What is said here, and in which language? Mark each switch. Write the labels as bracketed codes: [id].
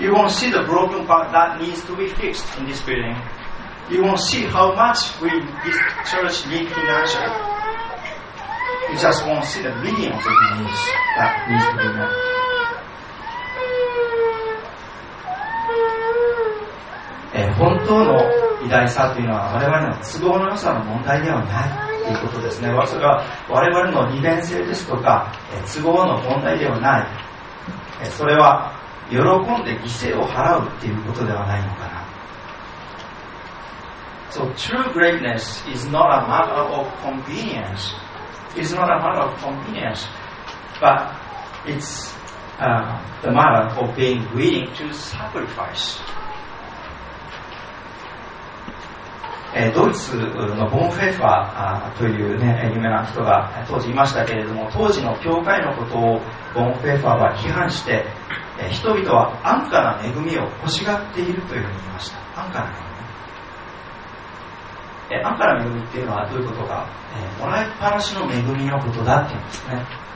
[en] You won't see the broken part that needs to be fixed in this building. You won't see how much we, this church needs financial. You just won't see the millions of needs that needs to be met. [ja] 本当の偉大さというのは我々の都合の良さの問題ではないということですね。それは我々の利便性ですとか都合の問題ではない。それは喜んで犠牲を払うということではないのかな。 [en] So true greatness is not a matter of convenience. It's not a matter of convenience, but it's the matter of being willing to sacrifice. [ja] ドイツのボンフェファーという、ね、有名な人が当時いましたけれども、当時の教会のことをボンフェファーは批判して、人々は安価な恵みを欲しがっているというふうに言いました。安価な恵み、安価な恵みっていうのはどういうことか、もらいっぱなしの恵みのことだって言うんですね。